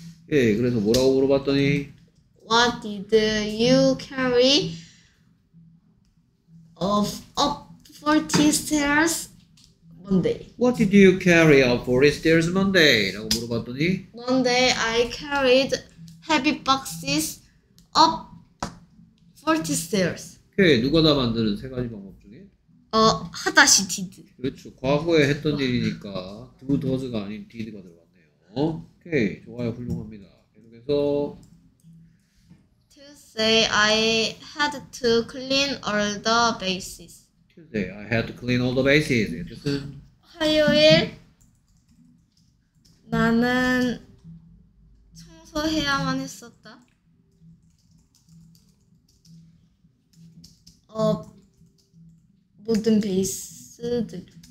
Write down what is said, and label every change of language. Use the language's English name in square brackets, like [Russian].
[Korean] 예, 그래서 뭐라고 물어봤더니 [English] What did you carry of up 40 stairs Monday? What did you carry of 40 stairs Monday? [Korean] 라고 물어봤더니 [English] Monday I carried heavy boxes up 40 stairs. [Korean] 예, 누가 다 만드는 세 가지 방법 중에 하다시 did. 그렇죠. 과거에 했던 일이니까 두 더즈가 아닌 디드가 들어갔네요. 오케이. 좋아요. 훌륭합니다. 계속해서 [English] Tuesday I had to clean all the bases. Tuesday I had to clean all the bases. [Korean] 하다 화요일 나는 청소해야만 했었다. 모든 베이스들.